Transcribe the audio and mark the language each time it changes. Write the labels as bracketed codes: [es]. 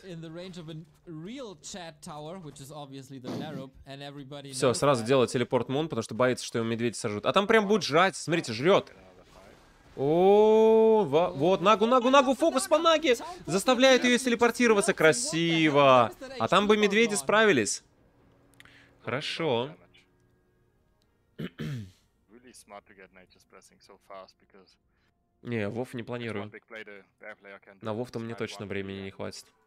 [ru] Все, сразу делаю телепорт Мун, потому что боится, что его медведи сожрут. А там прям будет жрать, смотрите, жрет. Вот, нагу, фокус по наге. Заставляет ее телепортироваться, красиво. А там бы медведи справились. Хорошо. [en] really smart to get nature's pressing so fast, because... [ru] Не, ВОВ не планирую. На ВОВ-то мне точно времени не хватит.